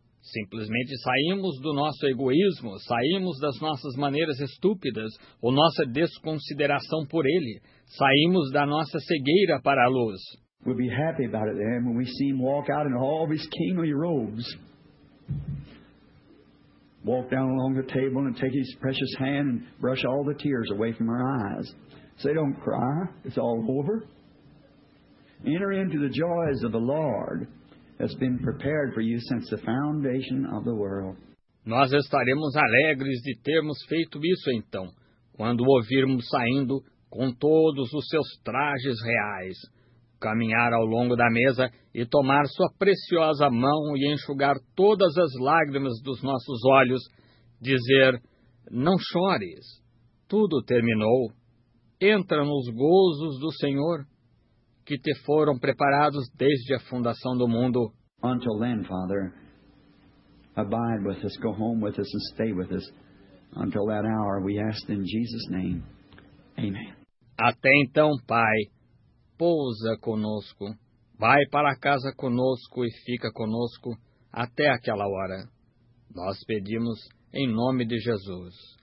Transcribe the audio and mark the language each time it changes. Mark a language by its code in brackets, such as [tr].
[pt] Simplesmente saímos do nosso egoísmo, saímos das nossas maneiras estúpidas, ou nossa desconsideração por Ele, saímos da nossa cegueira para a luz. [en] We'll be happy about it then when we see Him walk out in all of His kingly robes. Walk down along the table and take His precious hand and brush all the tears away from our eyes. Say, don't cry, it's all over. Enter into the joys of the Lord that's been prepared for you since the foundation of the world. [pt] Nós estaremos alegres de termos feito isso então, quando o ouvirmos saindo com todos os seus trajes reais, caminhar ao longo da mesa e tomar sua preciosa mão e enxugar todas as lágrimas dos nossos olhos, dizer, não chores, tudo terminou, entra nos gozos do Senhor, que te foram preparados desde a fundação do mundo. [en] Until then, Father, abide with us, go home with us and stay with us. Until that hour, we ask in Jesus' name, amen. [pt] Até então, Pai, pousa conosco, vai para casa conosco e fica conosco até aquela hora. Nós pedimos em nome de Jesus.